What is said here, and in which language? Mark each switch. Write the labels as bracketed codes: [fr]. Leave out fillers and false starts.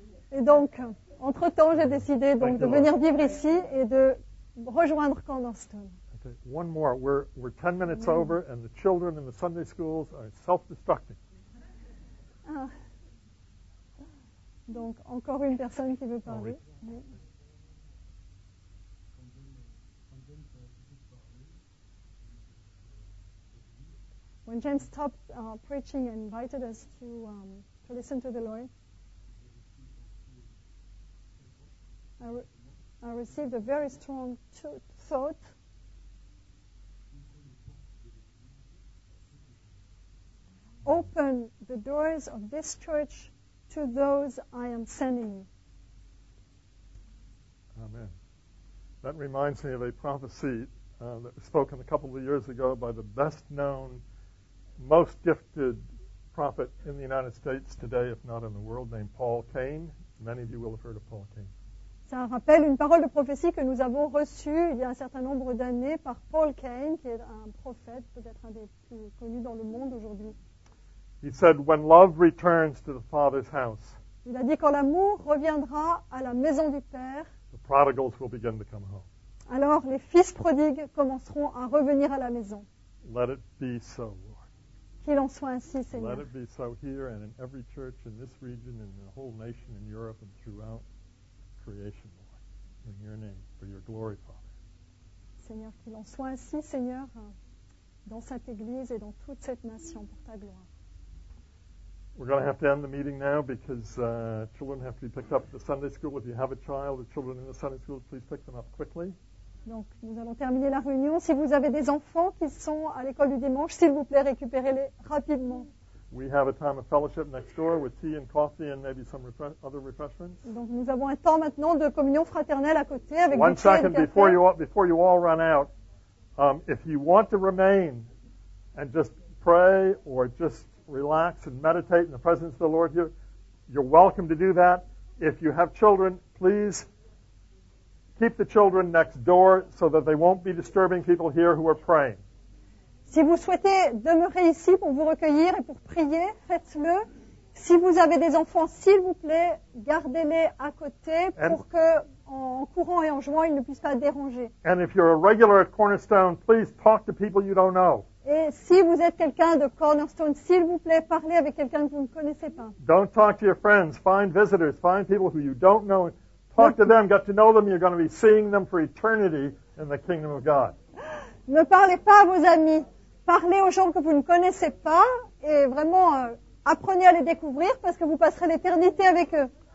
[en] Et donc, entre-temps, j'ai décidé donc, de venir vivre ici et de rejoindre Candlestone. Okay. One more. We're 10 minutes over and the children in the Sunday schools are self-destructing. [fr] Donc, encore une personne qui veut parler. Oui, [en] when James stopped preaching and invited us to listen to the Lord, I received a very strong thought. Open the doors of this church to those I am sending. Amen. That reminds me of a prophecy that was spoken a couple of years ago by the best known, most gifted prophet in the United States today, if not in the world, named Paul Cain. Many of you will have heard of Paul Cain. [fr] Ça rappelle une parole de prophétie que nous avons reçue il y a un certain nombre d'années par Paul Cain, qui est un prophète, peut-être un des plus connus dans le monde aujourd'hui. [en] He said, when love returns to the Father's house, [fr] il a dit, quand l'amour reviendra à la maison du Père, [en] the prodigals will begin to come home. [fr] Alors les fils prodigues commenceront à revenir à la maison. [en] Let it be so, Lord. [fr] Qu'il en soit ainsi, Seigneur. [en] Let it be so here and in every church in this region and in the whole nation in Europe and throughout creation, Lord. In your name, for your glory, Father. [fr] Seigneur, qu'il en soit ainsi, Seigneur, dans cette église et dans toute cette nation, pour ta gloire. [en] We're going to have to end the meeting now because children have to be picked up at the Sunday school. If you have a child, the children in the Sunday school, please pick them up quickly. [fr] Donc, nous allons terminer la réunion. Si vous avez des enfants qui sont à l'école du dimanche, s'il vous plaît, récupérez-les rapidement. [en] We have a time of fellowship next door with tea and coffee and maybe some other refreshments. [fr] Donc, nous avons un temps maintenant de communion fraternelle à côté avec [en] One [fr] du thé et du café. [en] One second before you all run out, if you want to remain and just pray or just relax and meditate in the presence of the Lord here, you're welcome to do that. If you have children, please keep the children next door so that they won't be disturbing people here who are praying. [fr] Si vous souhaitez demeurer ici pour vous recueillir et pour prier, faites-le. Si vous avez des enfants, s'il vous plaît, gardez-les à côté pour que en courant et en jouant, ils ne puissent pas déranger. [en] And if you're a regular at Cornerstone, please talk to people you don't know. [fr] Et si vous êtes quelqu'un de Cornerstone, s'il vous plaît, parlez avec quelqu'un que vous ne connaissez pas. [en] Don't talk to your friends. Find visitors. Find people who you don't know. Talk to them. Get to know them. You're going to be seeing them for eternity in the kingdom of God. [fr] Ne parlez pas à vos amis. Parlez aux gens que vous ne connaissez pas et vraiment apprenez à les découvrir parce que vous passerez l'éternité avec eux.